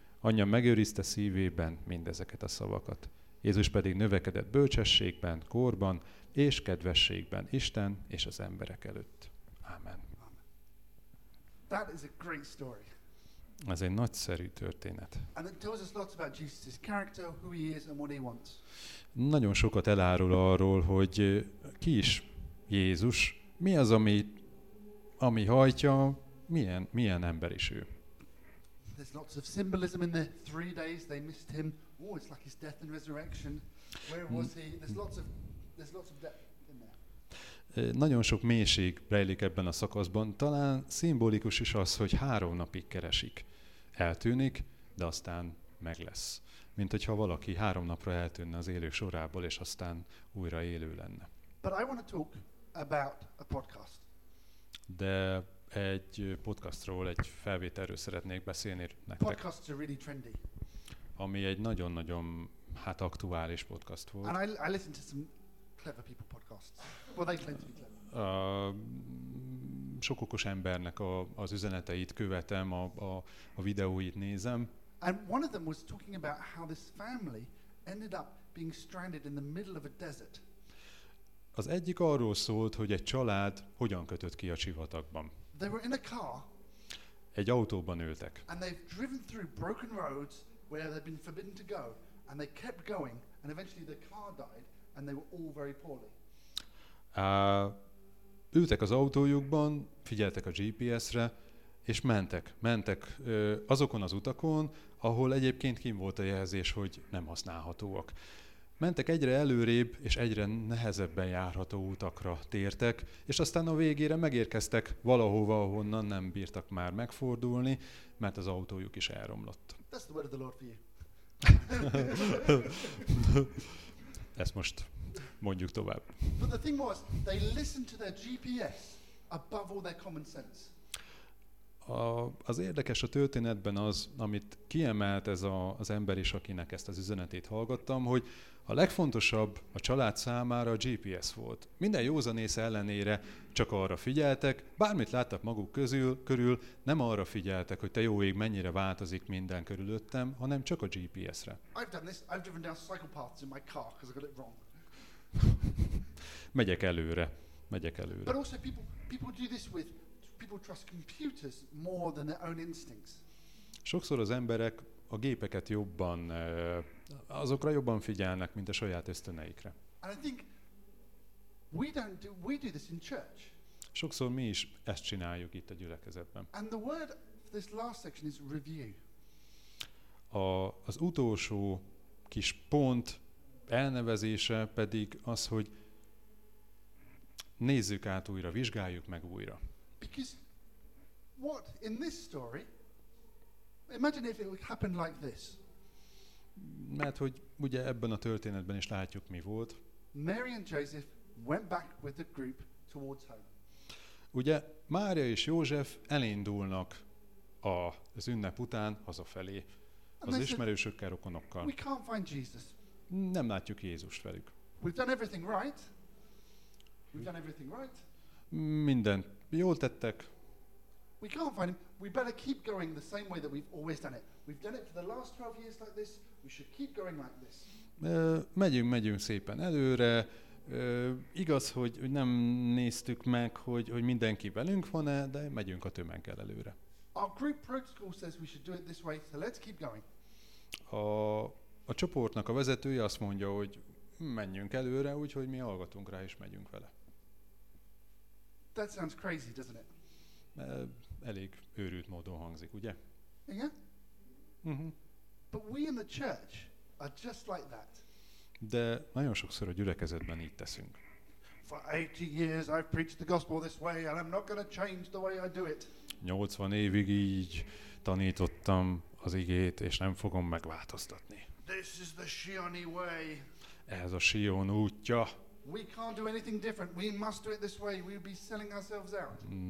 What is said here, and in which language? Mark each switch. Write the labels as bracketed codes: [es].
[hu] Anyja megőrizte szívében mindezeket a szavakat. Jézus pedig növekedett bölcsességben, korban és kedvességben Isten és az emberek előtt. Amen. [en] That is a great story. [hu] Ez egy nagyszerű történet. [en] And it tells us lots about Jesus' character, who he is and what he wants. [hu] Nagyon sokat elárul arról, hogy ki is Jézus, mi az, ami hajtja, milyen ember is ő. [en] There's lots of symbolism in the 3 days they missed him. Oh, it's like his death and resurrection. Where was he? There's lots of depth. [hu] Nagyon sok mélység rejlik ebben a szakaszban. Talán szimbolikus is az, hogy 3 napig keresik. Eltűnik, de aztán meg lesz. Mint hogyha valaki 3 napra eltűnne az élő sorából, és aztán újra élő lenne. [en] But I want to talk about a podcast. [hu] De egy podcastról, egy felvételről szeretnék beszélni nektek. [en] Podcasts are really trendy. [hu] Ami egy nagyon-nagyon aktuális podcast volt. [en] And I listen to some clever people podcasts. Well, they claim to be clever. [hu] Sok okos embernek az üzeneteit követem, a videóit nézem. [en] And one of them was talking about how this family ended up being stranded in the middle of a desert. [hu] Az egyik arról szólt, hogy egy család hogyan kötött ki a sivatagban. [en] They were in a car. [hu] Egy autóban ültek. [en] And they've driven through broken roads where they've been forbidden to go, and they kept going, and eventually the car died. And they were all very poorly. [hu] Ültek az autójukban, figyeltek a GPS-re, és mentek azokon az utakon, ahol egyébként kint volt a jelzés, hogy nem használhatóak. Mentek egyre előrébb, és egyre nehezebben járható utakra tértek, és aztán a végére megérkeztek valahova, ahonnan nem bírtak már megfordulni, mert az autójuk is elromlott. [en] That's the word of the Lord for you. [hu] Ezt most mondjuk tovább. [en] But the thing was, they listened to their GPS above all their common sense. [hu] Az érdekes a történetben az, amit kiemelt ez az ember is, akinek ezt az üzenetét hallgattam, hogy a legfontosabb a család számára a GPS volt. Minden józanész ellenére csak arra figyeltek, bármit láttak maguk körül, nem arra figyeltek, hogy te jó ég, mennyire változik minden körülöttem, hanem csak a GPS-re. [en] I've done this. I've driven down cycle paths in my car because I got it wrong. [hu] Megyek előre. [en] But also people do this with, people trust computers more than their own instincts. [hu] Sokszor az emberek a gépeket jobban, azokra jobban figyelnek, mint a saját ösztöneikre. [en] And I think we do this in church. [hu] Sokszor mi is ezt csináljuk itt a gyülekezetben. [en] And the word for this last section is review. [hu] Az utolsó kis pont elnevezése pedig az, hogy nézzük át újra, vizsgáljuk meg újra. [en] Because what in this story, imagine if it would happen like this. [hu] Mert hogy ugye ebben a történetben is látjuk, mi volt. [en] Mary and Joseph went back with the group towards home. [hu] Ugye Mária és József elindulnak az ünnep után hazafelé. Az ismerősökkel, rokonokkal. [en] We can't find Jesus. [hu] Nem látjuk Jézust velük. [en] We've done everything right. We've done everything right. [hu] Mindent jól tettek. [en] We can't find him. We better keep going the same way that we've always done it. We've done it for the last 12 years like this. We should keep going like this. [hu] Megyünk szépen előre. Igaz, hogy nem néztük meg, hogy mindenki velünk van-e, de megyünk a tömeggel előre. [en] Our group protocol says we should do it this way, so let's keep going. [hu] A csoportnak a vezetője azt mondja, hogy menjünk előre, úgyhogy mi hallgatunk rá és megyünk vele. [en] That sounds crazy, doesn't it? [hu] Elég őrült módon hangzik, ugye? Igen. [en] But we in the church are just like that. [hu] De nagyon sokszor a gyülekezetben így teszünk. [en] For 80 years I've preached the gospel this way and I'm not going to change the way I do it. [hu] 80 évig így tanítottam az igét, és nem fogom megváltoztatni. [en] This is the Sioni way. [hu] Ez a Sion útja. [en] We can't do anything different. We must do it this way. We'll be selling ourselves out.